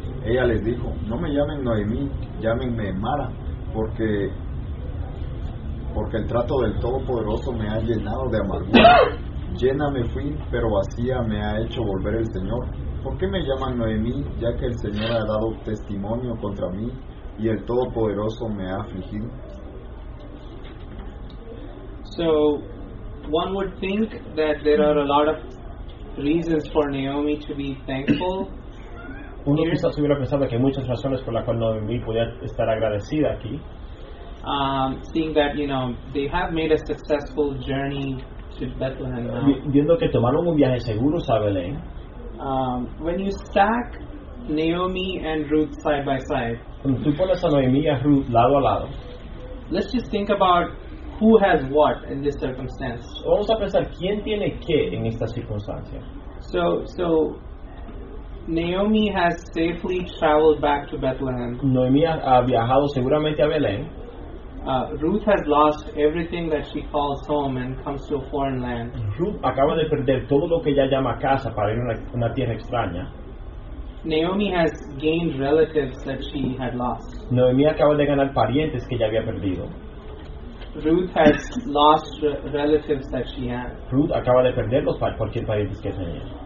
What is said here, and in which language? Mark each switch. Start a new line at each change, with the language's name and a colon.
Spanish: Ella les dijo, no me llamen Noemí, llámenme Mara, porque el trato del Todopoderoso me ha llenado de amargura. Llena me fui, pero vacía me ha hecho volver el Señor. ¿Por qué me llaman Noemí, ya que el Señor ha dado testimonio contra mí y el Todopoderoso me ha afligido?
English: So, one would think that there are a lot of reasons for Naomi to be thankful.
Spanish: Uno quizás hubiera pensado que hay muchas razones por las cuales Noemí podía estar agradecida aquí.
English: Seeing that, you know, they have made a successful journey to Bethlehem now.
Spanish: Viendo que tomaron un viaje seguro a Belén.
English: When you stack Naomi and Ruth side by side.
Spanish: Cuando tú pones a Noemí y a Ruth lado a lado.
English: Let's just think about who has what in this circumstance.
Spanish: Vamos a pensar quién tiene qué en esta circunstancia.
English: So Naomi has safely traveled back to Bethlehem.
Spanish: Noemí ha viajado seguramente a Belén.
English: Ruth has lost everything that she calls home and comes to a foreign land.
Spanish: Ruth acaba de perder todo lo que ella llama casa para ir a una tierra extraña.
English: Naomi has gained relatives that she had lost.
Spanish: Noemí acaba de ganar parientes que ella había perdido.
English: Ruth has lost relatives that she had.
Spanish: Ruth acaba de perder los parientes que tenía.